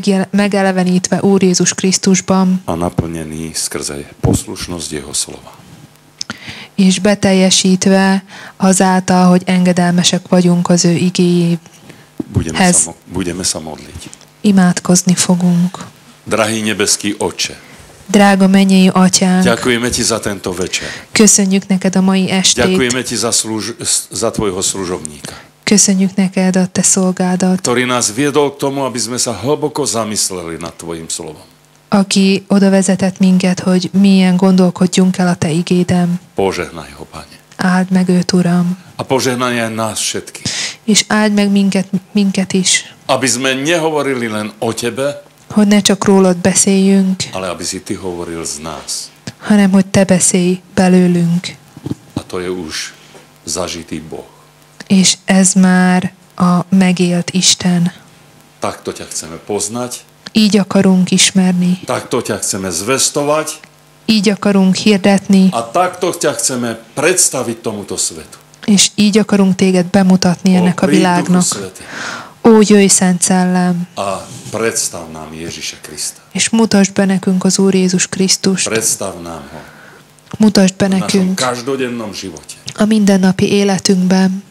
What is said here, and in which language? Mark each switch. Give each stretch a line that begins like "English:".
Hungarian: Megelevenítve Úr Jézus Krisztusban.
Slovak: A naplnený skrze poslušnosť Jeho slova.
Hungarian: És beteljesítve azáltal, hogy engedelmesek vagyunk az ő igéjéhez.
Slovak: Budeme sa modliť.
Hungarian: Imádkozni fogunk.
Slovak: Drahý nebeský Otče.
Hungarian: Drága mennyei atyánk,
Slovak: ďakujeme ti za tento večer.
Hungarian: Köszönjük neked a mai estét.
Slovak: Ďakujeme ti za tvojho služobníka.
Hungarian: Köszönjük neked a te szolgádat.
Slovak: Ktorý nás viedol k tomu, aby sme sa hlboko zamysleli nad tvojim slovom.
Hungarian: Aki oda vezetett minket, hogy milyen gondolkodjunk el a te igédem.
Slovak: Požehnaj ho, Pane.
Hungarian: Áld meg őt, Uram.
Slovak: A požehnaj aj nás všetky.
Hungarian: És áld meg minket is.
Slovak: Aby sme nehovorili len o tebe,
Hungarian: hogy ne csak rólad beszéljünk,
Slovak: ale aby si ty hovoril z nás,
Hungarian: hanem hogy te beszélj belőlünk.
Slovak: A to je už zažitý Boh.
Hungarian: És ez már a megélt Isten.
Slovak: Takto ťa chceme poznať.
Hungarian: Így akarunk ismerni.
Slovak: Takto ťa chceme zvestovať.
Hungarian: Így akarunk hirdetni.
Slovak: A takto ťa chceme predstaviť tomuto svetu.
Hungarian: És így akarunk téged bemutatni ennek a világnak. Ó, jöjj, Szent Szellem!
Slovak: A predstav nám Ježiša Krista.
Hungarian: És mutasd be nekünk az Úr Jézus Krisztust.
Slovak: Predstav nám ho.
Hungarian: Mutasd be nekünk.
Slovak: A našom každodennom živote.
Hungarian: A mindennapi életünkben.